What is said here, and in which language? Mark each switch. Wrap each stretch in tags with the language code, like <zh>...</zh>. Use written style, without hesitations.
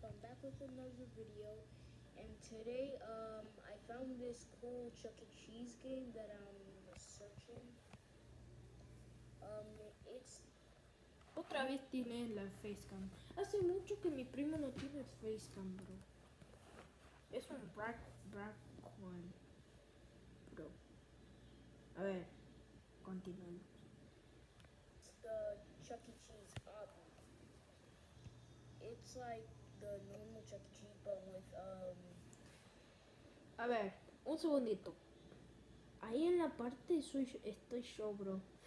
<en>I'm back with another video, and today I found this cool Chuck E. Cheese game that I'm searching. It's</en> <es>otra vez tiene la facecam. Hace mucho que mi primo no tiene facecam, bro. Es un brack one, bro. A ver, continuando.</es> <en>The Chuck E. Cheese it's like the normal Chuck E. Cheese but with</en> <es>A ver, un segundito. Ahí en la parte soy yo, estoy yo, bro.</es>